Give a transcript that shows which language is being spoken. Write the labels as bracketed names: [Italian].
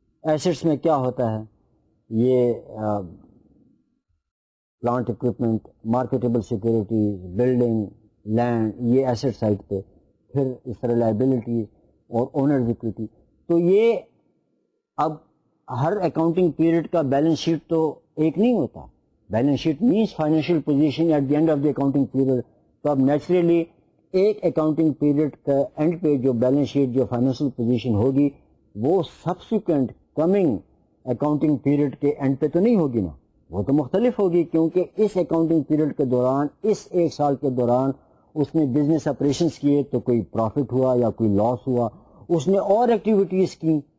[Urdu] Assets میں کیا ہوتا ہے, یہ plant equipment, marketable securities, building, land, یہ ایسٹ سائڈ پہ. پھر اس طرح لائبلٹیز اور اونرز ایکویٹی. تو یہ اب ہر اکاؤنٹنگ پیریڈ کا بیلنس شیٹ تو ایک نہیں ہوتا. [English] Balance sheet means financial position at the end of the accounting period. [Urdu] تو اب نیچرلی ایک اکاؤنٹنگ پیریڈ کا اینڈ پہ جو بیلنس شیٹ, جو فائنینشیل پوزیشن ہوگی, وہ سبسیکوینٹ کمنگ اکاؤنٹنگ پیریڈ کے اینڈ پہ تو نہیں ہوگی نا, وہ تو مختلف ہوگی, کیونکہ اس اکاؤنٹنگ پیریڈ کے دوران, اس ایک سال کے دوران اس نے بزنس آپریشنس کیے تو کوئی پروفٹ ہوا یا کوئی لاس ہوا, اس نے اور ایکٹیویٹیز کی,